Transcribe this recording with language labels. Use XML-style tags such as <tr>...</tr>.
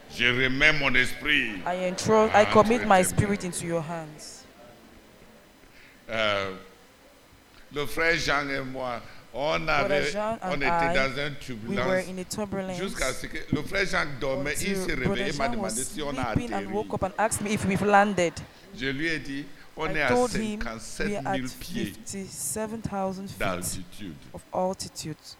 <fr>Je remets mon esprit.</fr> <en>I commit my spirit into your hands.</en> <fr>Le frère Jean et moi, on était dans un turbulence.</fr> <en>We were in a turbulence.</en> <fr>Jusqu'à ce que le frère Jean dormait, il s'est réveillé, m'a demandé si on a atterri.</fr> <en>And woke up and asked me if we've landed.</en> <fr>Je lui ai dit, on est à 57,000 pieds d'altitude.</fr>